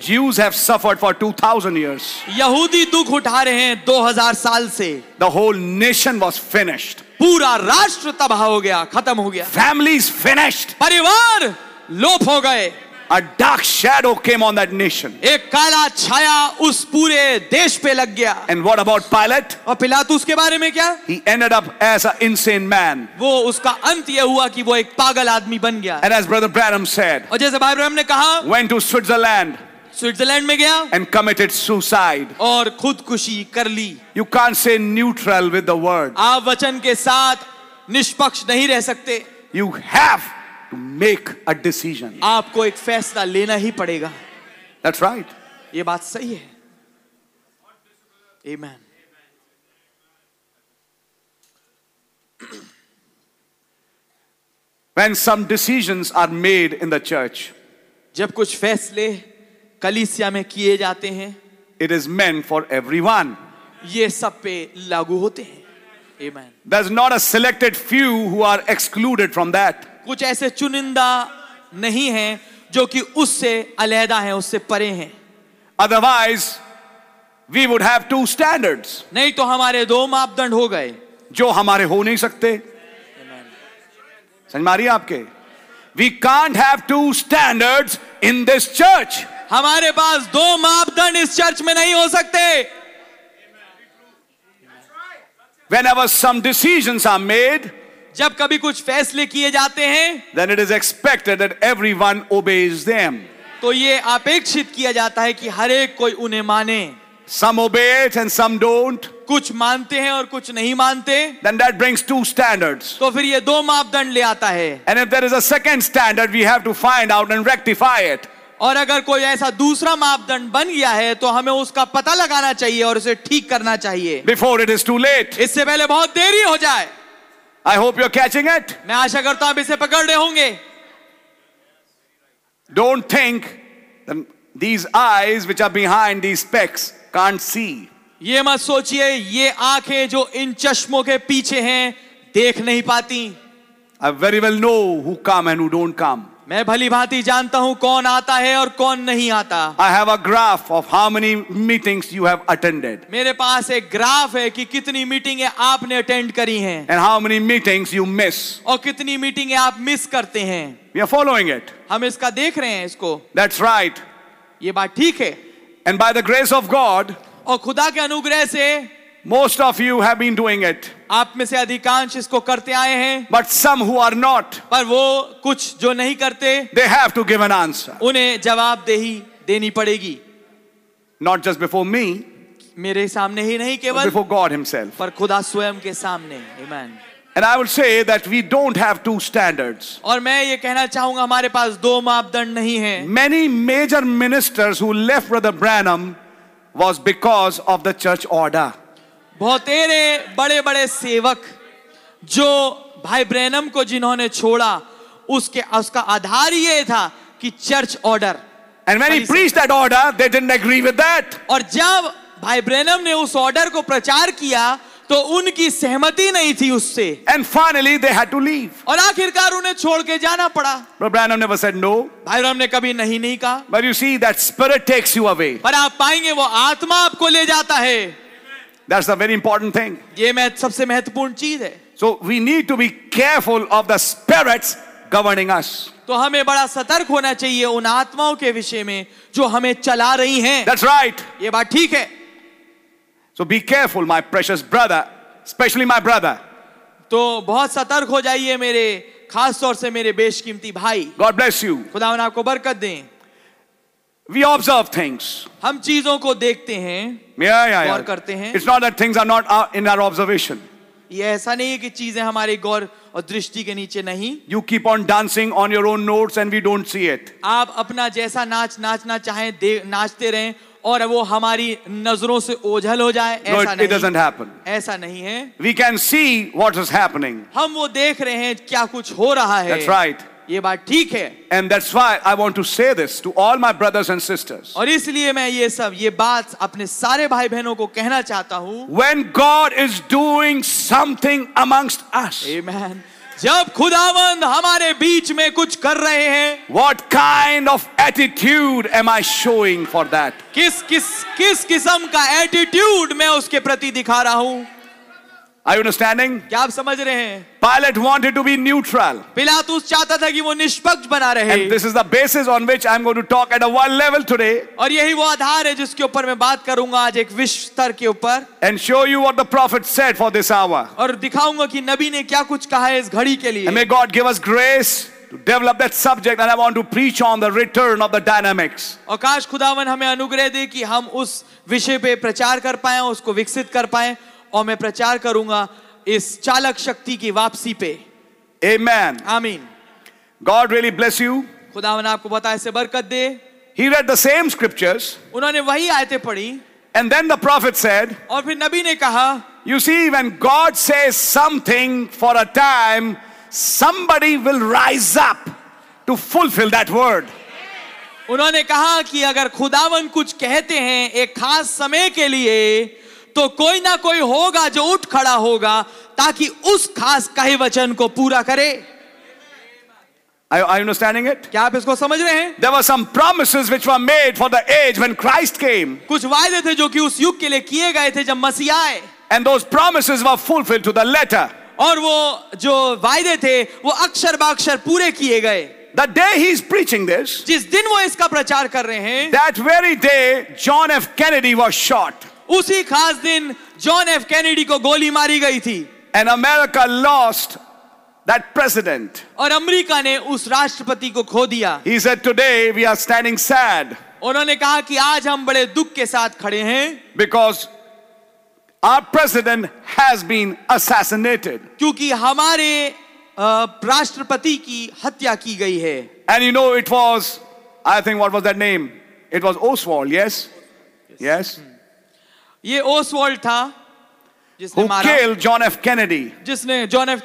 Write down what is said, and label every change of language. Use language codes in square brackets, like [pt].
[en] Jews have suffered for 2000 years. [hi] यहूदी दुख उठा रहे हैं 2000 साल से. [en] The whole nation was finished. [hi] पूरा राष्ट्र तबाह हो गया, खत्म हो गया. [en] Families finished. [hi] परिवार लोप हो गए. [en] A dark shadow came on that nation. [hi] एक काला छाया उस पूरे देश पे लग गया. [en] And what about Pilate? [hi] और पिलातुस के बारे में क्या? [en] He ended up as an insane man. [hi] वो उसका अंत यह हुआ कि वो एक पागल आदमी बन गया. [en] And as Brother Branham said. [hi] और जैसे भाई ब्रैनम ने कहा. [en] Went to Switzerland. [hi] स्विट्जरलैंड में गया. [en] And committed suicide. [hi] और खुदकुशी कर ली. [en] You can't say neutral with the word. [hi] आप वचन के साथ निष्पक्ष नहीं रह सकते. [en] You have To make a decision. [hi] आपको एक फैसला लेना ही पड़ेगा. [en] That's right. [hi] ये बात सही है. Amen. [en] When some decisions are made in the church, [hi] जब कुछ फैसले कलीसिया में किए जाते हैं, [en] it is meant for everyone. [hi] ये सब पे लागू होते हैं. Amen. [en] There's not a selected few who are excluded from that. [hi] कुछ ऐसे चुनिंदा नहीं है जो कि उससे अलहदा है, उससे परे हैं. [en] Otherwise we would have two standards. [hi] नहीं तो हमारे दो मापदंड हो गए जो हमारे हो नहीं सकते. समझ मारिए आपके. [en] We can't have two standards in this church. [hi] हमारे पास दो मापदंड इस चर्च में नहीं हो सकते. [en] Whenever some decisions are made. [hi] जब कभी कुछ फैसले किए जाते हैं [en] then it is expected that everyone obeys them. [hi] तो ये अपेक्षित किया जाता है कि हर एक कोई उन्हें माने. [en] Some obey it and some don't. [hi] कुछ मानते हैं और कुछ नहीं मानते. [en] Then that brings two standards. [hi] तो फिर ये दो मापदंड ले आता है. [en] And if there is a second standard, we have to find out and rectify it. [hi] और अगर कोई ऐसा दूसरा मापदंड बन गया है तो हमें उसका पता लगाना चाहिए और उसे ठीक करना चाहिए. [en] Before it is too late. [hi] इससे पहले बहुत देरी हो जाए. [en] I hope you're catching it. [hi] मैं आशा करता हूं आप इसे पकड़ रहे होंगे. [en] Don't think that these eyes which are behind these specs can't see. [hi] ये मत सोचिए ये आंखें जो इन चश्मों के पीछे हैं देख नहीं पाती. [en] I very well know who come and who don't come. [hi] मैं भली भांति जानता हूं कौन आता है और कौन नहीं आता. [en] I have a graph of how many meetings you have attended. [hi] मेरे पास एक ग्राफ है कि कितनी मीटिंगें आपने अटेंड करी हैं. [en] And how many meetings you miss. [hi] और कितनी मीटिंगें आप मिस करते हैं. [en] We are following it. [hi] हम इसका देख रहे हैं इसको. [en] That's right. [hi] ये बात ठीक है. [en] And by the grace of God. [hi] और खुदा के अनुग्रह से. [en] Most of you have been doing it. [hi] आप में से अधिकांश इसको करते आए हैं. [en] But some who are not. [hi] पर वो कुछ जो नहीं करते. [en] They have to give an answer. [hi] उन्हें जवाबदेही देनी पड़ेगी. [en] Not just before me. [hi] मेरे सामने ही नहीं केवल. [en] Before God Himself. [hi] पर खुदा स्वयं के सामने. Amen. [en] And I will say that we don't have two standards. [hi] और मैं ये कहना चाहूँगा हमारे पास दो मापदंड नहीं हैं. [en] Many major ministers who left Brother Branham was because of the church order. [hi] बहुतेरे बड़े बड़े सेवक जो भाई ब्रैनम को जिन्होंने छोड़ा उसका आधार ये था कि church order. [en] And when he preached that order, they didn't agree with that. [hi] और जब भाई ब्रैनम ने उस ऑर्डर को प्रचार किया तो उनकी सहमति नहीं थी उससे. [en] And finally they had to leave. [hi] और आखिरकार उन्हें छोड़ के जाना पड़ा. [en] But Branham never said no. [hi] भाई ब्रैनम ने कभी नहीं नहीं कहा. [en] But you see that spirit takes you away. [hi] पर आप पाएंगे वो आत्मा आपको ले जाता है. [en] That's a very important thing. [hi] ये सबसे महत्वपूर्ण चीज है. [en] So we need to be careful of the spirits governing us. [hi] तो हमें बड़ा सतर्क होना चाहिए उन आत्माओं के विषय में जो हमें चला रही हैं. [en] That's right. [hi] ये बात ठीक है. [en] So be careful, my precious brother, especially my brother. [hi] तो बहुत सतर्क हो जाइए मेरे खास तौर से मेरे बेशकीमती भाई. [en] God bless you. [hi] खुदावन आपको बरकत दें. [en] We observe things. [hi] हम चीजों को देखते हैं. [en] Yeah. [hi] करते हैं. [en] It's not that things are not in our observation. [hi] ये ऐसा नहीं है कि चीजें हमारे गौर और दृष्टि के नीचे नहीं. [en] You keep on dancing on your own notes and we don't see it. [hi] आप अपना जैसा नाच नाचना चाहें नाचते रहें और वो हमारी नजरों से ओझल हो जाए. [en] No, it doesn't happen. [hi] ऐसा नहीं है. [en] We can see what is happening. [hi] हम वो देख रहे हैं क्या कुछ हो रहा है. [en] That's right. [hi] ये बात ठीक है. [en] And that's why I want to say this to all my brothers and sisters. [hi] और इसलिए मैं ये सब ये बात अपने सारे भाई बहनों को कहना चाहता हूँ. [en] When God is doing something amongst us. Amen. [hi] जब खुदावंद हमारे बीच में कुछ कर रहे हैं. [en] What kind of attitude am I showing for that? [hi] किस किस्म का attitude मैं उसके प्रति दिखा रहा हूँ. [en] Are you understanding? [hi] क्या आप समझ रहे हैं? [en] Pilate wanted to be neutral. [hi] पिलातुस चाहता था कि वो निष्पक्ष बना रहे. [en] And this is the basis on which I'm going to talk at a world level today. [hi] और यही वो आधार है जिसके ऊपर मैं बात करूंगा आज एक विश्व स्तर के ऊपर. [en] And show you what the prophet said for this hour. [hi] और दिखाऊंगा कि नबी ने क्या कुछ कहा है इस घड़ी के लिए. [en] And may God give us grace to develop that subject and I want to preach on the return of the dynamics. [hi] और काश खुदावन हमें अनुग्रह दे कि हम उस विषय पे प्रचार कर पाए उसको विकसित कर पाए और मैं प्रचार करूंगा इस चालक शक्ति की वापसी पे. [en] Amen. [hi] आमीन. [en] God really bless you. [hi] खुदावन आपको बताए से बरकत दे. [en] He read the same scriptures. [hi] उन्होंने वही आयतें पढ़ी. [en] And then the prophet said. [hi] और फिर नबी ने कहा. [en] You see, when God says something for a time, somebody will rise up to fulfill that word. [hi] उन्होंने कहा कि अगर खुदावन कुछ कहते हैं एक खास समय के लिए तो कोई ना कोई होगा जो उठ खड़ा होगा ताकि उस खास कहे वचन को पूरा करे. [en] Are you understanding it? [hi] क्या आप इसको समझ रहे हैं? [en] There were some promises which were made for the age when Christ came. [hi] कुछ वायदे थे जो कि उस युग के लिए किए गए थे जब मसीह आए. [en] And those promises were fulfilled to the letter. [hi] और वो जो वायदे थे वो अक्षर बाक्षर पूरे किए गए. [en] The day he is preaching this, [hi] जिस दिन वो इसका प्रचार कर रहे हैं, [en] that very day John F. Kennedy was shot. [hi] उसी खास दिन जॉन एफ कैनेडी को गोली मारी गई थी. [en] And America lost That president. [hi] और अमेरिका ने उस राष्ट्रपति को खो दिया. [en] He said, "Today we are standing sad." [hi] उन्होंने कहा कि आज हम बड़े दुख के साथ खड़े हैं. [en] Because our president has been assassinated. [hi] क्योंकि हमारे राष्ट्रपति की हत्या की गई है. [en] And you know, it was, I think, what was that name? It was Oswald. Yes, yes. [hi] ये ओसवाल्ड था. [en] Who killed John F. Kennedy? [hi] जिसने John F.